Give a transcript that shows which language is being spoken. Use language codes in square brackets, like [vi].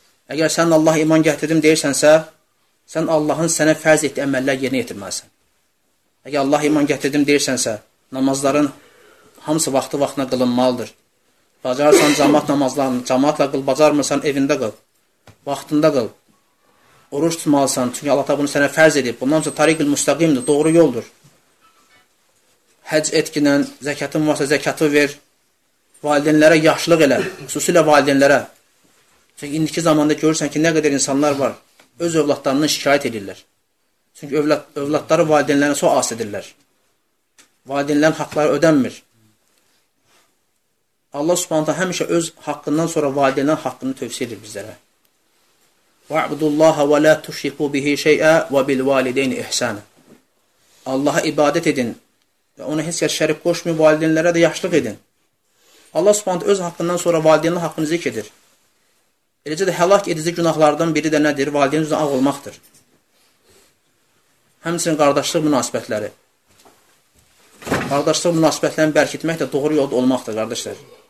[az] Əgər sən Allaha iman gətirdim deyirsənsə, sən Allahın sənə fərz etdiyi əməllər yerinə yetirməlisən. Əgər Allaha iman gətirdim deyirsənsə, namazların hamısı vaxtı vaxtına qılınmalıdır. Bacarsan cəmaat namazlarını, cəmaatla qıl, bacarmırsan evində qıl. Vaxtında qıl. Oruç tutmalısan, çünki Allah da bunu sənə fərz edib. Bundan sonra tariqil müstəqimdir, doğru yoldur. Həc etkinən, zəkatın varsa zəkatı ver. Valideynlərə yaxşılıq elə, xüsusilə valideynlərə. Çünki indiki zamanda görürsən ki, nə qədər insanlar var, öz övladlarını şikayət edirlər. Çünki övladları valideynlərinə çox asidirlər. Valideynlərin haqları ödənmir. Allah subhanətə həmişə öz haqqından sonra valideynlərin haqqını tövsiyə edir bizlərə. [ar] وَعْبُدُ اللّٰهَ وَلَا تُشْرِكُوا بِهِ شَيْئًا وَبِالْوَالِدَيْنِ اِحْسَانًا [az] Allaha ibadət edin Və ona heç kəs şərik qoşmayın, valideynlərə də yaxşılıq edin. Allah Subhanahu öz haqqından sonra valideynin haqqını zikr edir. Eləcə də həlak edici günahlardan biri də nədir? Valideyn üzrə ağ olmaqdır. Həmçinin qardaşlıq münasibətləri. Qardaşlıq münasibətlərini bərkitmək də doğru yolda olmaqdır, qardaşlar.